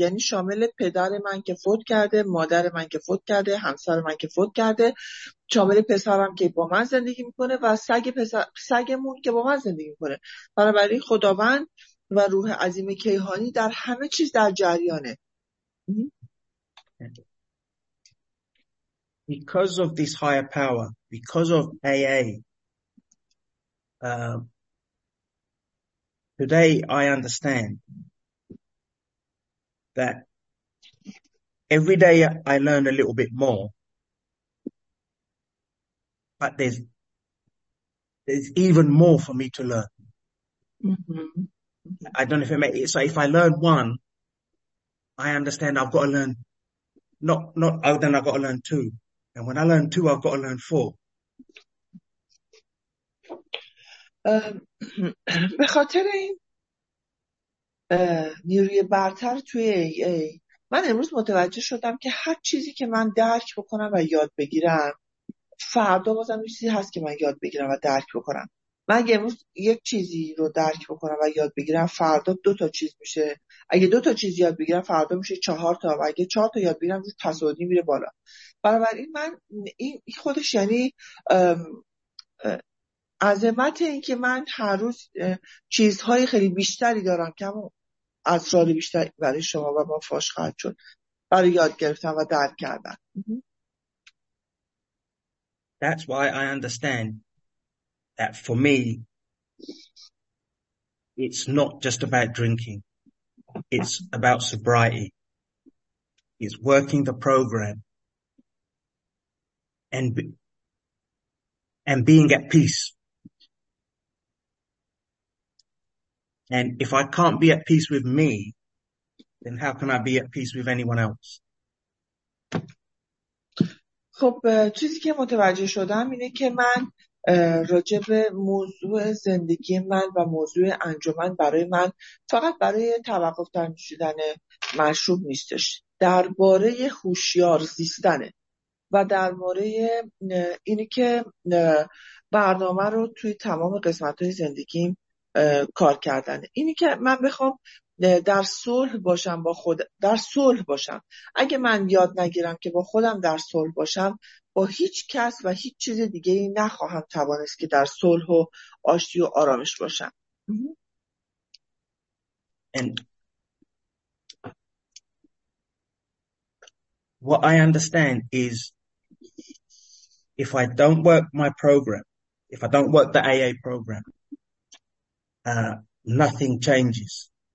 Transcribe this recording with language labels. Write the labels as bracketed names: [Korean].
[Persian] یعنی شامل پدر من که فوت کرده، مادر من که فوت کرده، همسر من که فوت کرده، شامل پسرم که با من زندگی میکنه و سگمون که با من زندگی میکنه. بنابراین خداوند و روح عظیم کیهانی در همه چیز در جریانه. [English] Because of this higher power, because of AA, today I understand that every day I learn a little bit more, but there's even more for me to learn. Mm-hmm. I don't know if it makes it, so if I learn one, I understand I've got to learn, then I've got to learn two. And when I learn two, I've got to learn four. [Persian] به خاطر این نیروی برتر توی ای ای، من امروز متوجه شدم که هر چیزی که من درک بکنم و یاد بگیرم، فردا بازم یه چیزی هست که من یاد بگیرم و درک بکنم. و من امروز یک چیزی رو درک بکنم و یاد بگیرم، فردا دو تا چیز میشه. اگه دو تا چیز یاد بگیرم فردا میشه 4 تا، و اگه 4 تا یاد بگیرم تصادی میره بالا. بنابراین من این خودش یعنی عظمت این که من هر روز چیزهای خیلی بیشتری دارم که همون اسرار بیشتر برای شما و ما فاش خواهد شد برای یاد گرفتن و درک کردن. [English] That's why I understand that for me, it's not just about drinking. It's about sobriety. It's working the program and being at peace. And if I can't be at peace with me, then how can I be at peace with anyone else? [Persian] خب چیزی که متوجه شدم اینه که من راجع به موضوع زندگی من و موضوع انجمن برای من فقط برای توقف در نوشیدن مشروب نیستش، درباره هوشیار زیستنه و درباره اینه که برنامه رو توی تمام قسمت‌های زندگیم کار کردنه. اینی که من بخوام در صلح باشم با خود، در صلح باشم، اگه من یاد نگیرم که با خودم در صلح باشم، با هیچ کس و هیچ چیز دیگه ای نخواهم توانست که در صلح و آشتی و آرامش باشم. [English] And what I understand is if I don't work my program, if I don't work the AA program, nothing changes.